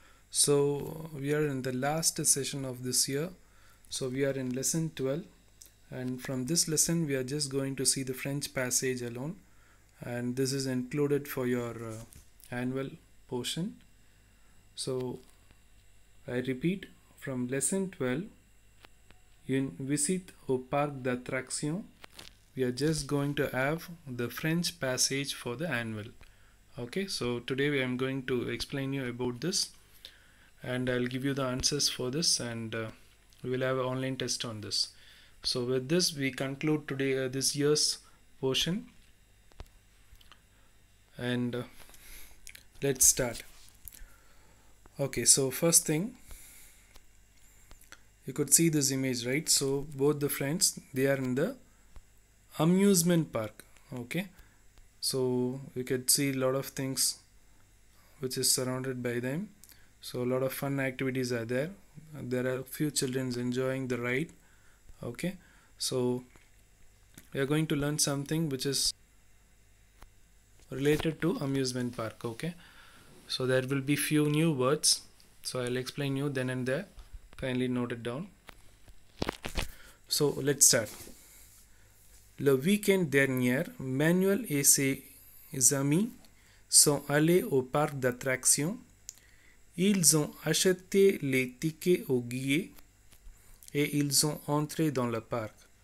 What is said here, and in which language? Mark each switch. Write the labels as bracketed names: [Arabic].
[English] So we are in the last session of this year, so we are in lesson 12, and from this lesson we are just going to see the French passage alone, and this is included for your annual portion. So I repeat, from lesson 12, [French] une visite au parc d'attractions. [English] We are just going to have the French passage for the annual. Okay, so today I am going to explain you about this, and I'll give you the answers for this, and we'll have an online test on this. So with this we conclude today this year's portion, and let's start. Okay, so first thing, you could see this image, right? So both the friends, they are in the amusement park. Okay, so you could see a lot of things which is surrounded by them, so a lot of fun activities are there. There are a few children enjoying the ride. Okay, so we are going to learn something which is related to amusement park. Okay, so there will be few new words, so I'll explain you then and there. Kindly note it down. So let's start. [French] Le week-end dernier, Manuel et ses amis sont allés au parc d'attractions. Ils ont acheté les tickets au guichet et ils ont entré dans le parc.